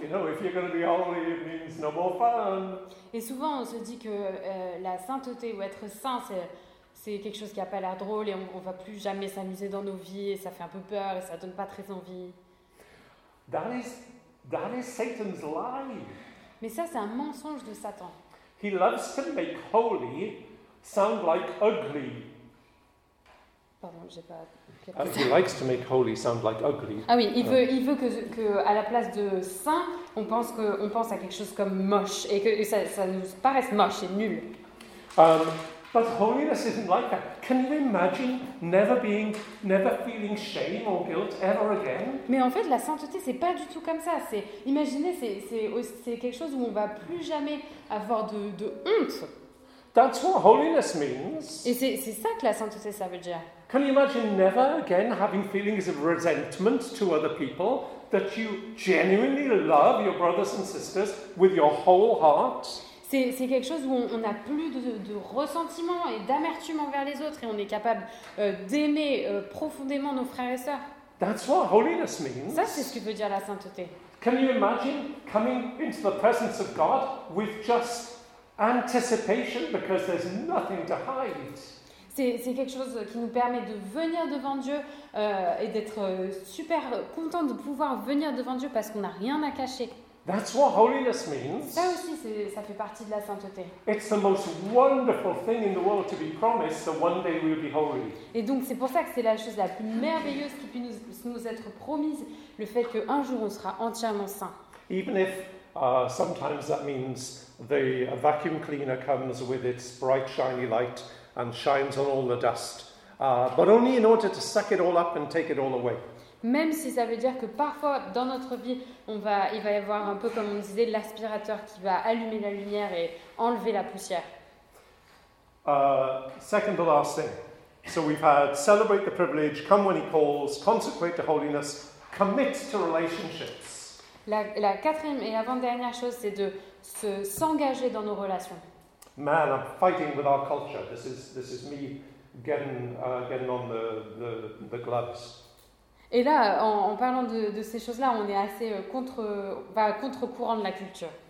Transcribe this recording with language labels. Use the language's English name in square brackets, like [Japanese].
[English] You know, if you're going to be holy, it means no more fun. [French] Et souvent on se dit que la sainteté ou être saint c'est quelque chose qui a pas l'air drôle et on va plus jamais s'amuser dans nos vies et ça fait un peu peur et ça donne pas très envie. [English] That is Satan's lie. [French] Mais ça c'est un mensonge de Satan. [English] He loves to make holy sound like ugly. [French] Pardon, j'ai pas. [English] He likes to make holy sound like ugly. [French] Ah oui, il veut que à la place de saint, on pense à quelque chose comme moche et que ça nous paraisse moche et nul. [English] But holiness isn't like that. Can you imagine never feeling shame or guilt ever again? [French] Mais en fait, la sainteté, c'est pas du tout comme ça. Imaginez, c'est quelque chose où on va plus jamais avoir de honte. [English] That's what holiness means. [French] Et c'est ça que la sainteté, ça veut dire. [English] Can you imagine never again having feelings of resentment to other people that you genuinely love your brothers and sisters with your whole heart? [French] C'est quelque chose où on n'a plus de ressentiment et d'amertume envers les autres et on est capable d'aimer profondément nos frères et sœurs. [English] That's what holiness means. [French] Ça, c'est ce que veut dire la sainteté. [English] Can you imagine coming into the presence of God with just anticipation because there's nothing to hide? [French] C'est quelque chose qui nous permet de venir devant Dieu et d'être super content de pouvoir venir devant Dieu parce qu'on n'a rien à cacher. [English] That's what holiness means. [French] Ça aussi, ça fait partie de la sainteté. [English] It's the most wonderful thing in the world to be promised that one day we'll be holy. [French] Et donc, c'est pour ça que c'est la chose la plus merveilleuse qui puisse nous être promise, le fait que un jour on sera entièrement saint. [English] Even if sometimes that means a vacuum cleaner comes with its bright shiny light and shines on all the dust, but only in order to suck it all up and take it all away. [French] Même si ça veut dire que parfois dans notre vie, il va y avoir un peu comme on disait l'aspirateur qui va allumer la lumière et enlever la poussière. [English] Second to last thing. So we've had celebrate the privilege, come when he calls, consecrate to holiness, commit to relationships. [French] La quatrième et avant-dernière chose, c'est de s'engager dans nos relations. [English] Man, I'm fighting with our culture. This is me getting on the gloves. [French] Et là, en parlant de ces choses-là, on est assez contre courant de la culture.